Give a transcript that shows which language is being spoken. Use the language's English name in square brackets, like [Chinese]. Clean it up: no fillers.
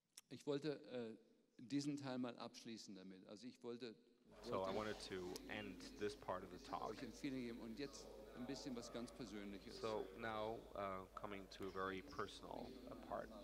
[German] Ich wollte diesen Teil mal abschließen damit. Also ich wollte. [English] So I wanted to end this part of the talk. [German] Ich empfehle ihm und jetzt ein bisschen was ganz Persönliches. [English] So now coming to a very personal part.